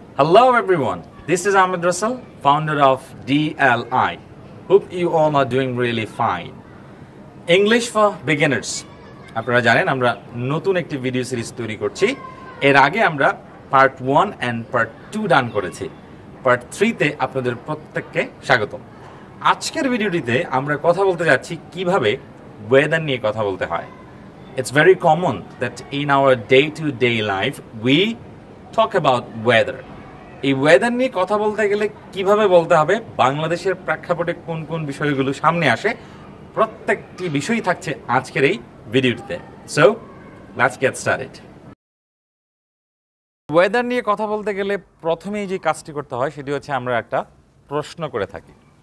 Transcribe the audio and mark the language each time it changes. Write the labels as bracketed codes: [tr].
[en] Hello everyone, this is Ahmed Russell, founder of DLI. Hope you all are doing really fine. English for beginners. [bn] আপনারা জানেন আমরা নতুন একটি video series তৈরি করছি। এর আগে আমরা পার্ট 1 এন্ড পার্ট 2 ডান করেছি। পার্ট 3 তে আপনাদের প্রত্যেককে স্বাগত। আজকের ভিডিওটিতে আমরা কথা বলতে যাচ্ছি কিভাবে ওয়েদার নিয়ে কথা বলতে হয়। [en] It's very common that in our day-to-day life, we talk about weather. [bn] এই ওয়েদার নিয়ে কথা বলতে গেলে কিভাবে বলতে হবে, বাংলাদেশের প্রেক্ষাপটে কোন কোন বিষয়গুলো সামনে আসে, প্রত্যেকটি বিষয়ই থাকছে আজকের এই ভিডিওটিতে। [en] So, let's get started. [bn] Weather নিয়ে কথা বলতে গেলে প্রথমেই যে কাজটি করতে হয় সেটি হচ্ছে আমরা একটা প্রশ্ন করে থাকি।